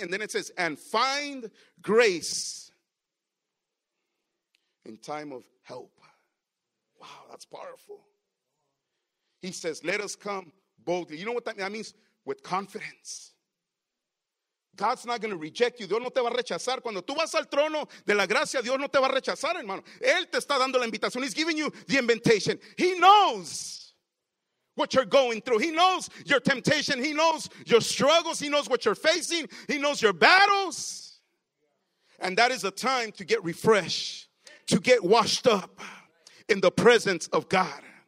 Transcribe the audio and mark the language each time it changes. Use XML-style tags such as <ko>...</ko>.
<en>And then it says, and find grace in time of help. Wow, that's powerful. He says, let us come boldly. You know what that means? That means with confidence. God's not going to reject you.</en> <es>Dios no te va a rechazar. Cuando tú vas al trono de la gracia, Dios no te va a rechazar, hermano. Él te está dando la invitación.</es> <en>He's giving you the invitation. He knows what you're going through. He knows your temptation. He knows your struggles. He knows what you're facing. He knows your battles. And that is a time to get refreshed, to get washed up in the presence of God.</en>